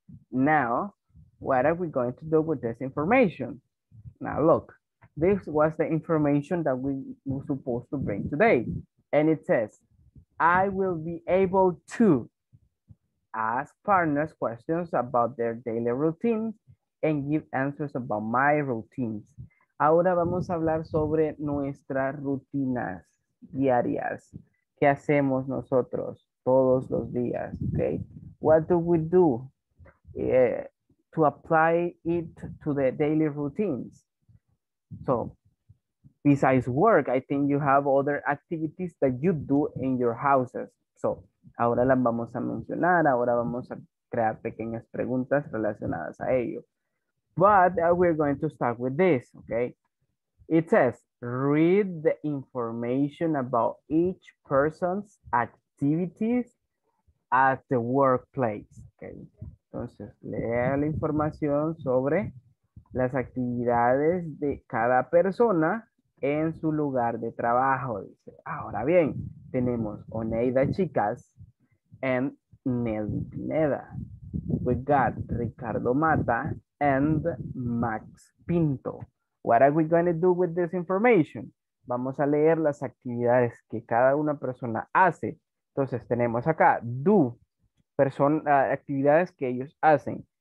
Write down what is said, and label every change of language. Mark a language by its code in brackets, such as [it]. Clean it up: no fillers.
[en] Now, what are we going to do with this information? Now, look. This was the information that we were supposed to bring today. And it says, I will be able to ask partners questions about their daily routines and give answers about my routines. [es] Ahora vamos a hablar sobre nuestras rutinas diarias. ¿Qué hacemos nosotros todos los días? Okay. [en] What do we do to apply it to the daily routines? So, besides work, I think you have other activities that you do in your houses. So, [es] Ahora las vamos a mencionar, ahora vamos a crear pequeñas preguntas relacionadas a ello. [en] But we're going to start with this, okay? It says, read the information about each person's activities at the workplace, okay? [es] Entonces, lea la información sobre las actividades de cada persona en su lugar de trabajo. Dice. Ahora bien, tenemos Oneida Chicas and Nelly Pineda. [en] We got Ricardo Mata and Max Pinto. What are we going to do with this information? [es] Vamos a leer las actividades que cada una persona hace. Entonces tenemos acá, do, actividades que ellos hacen.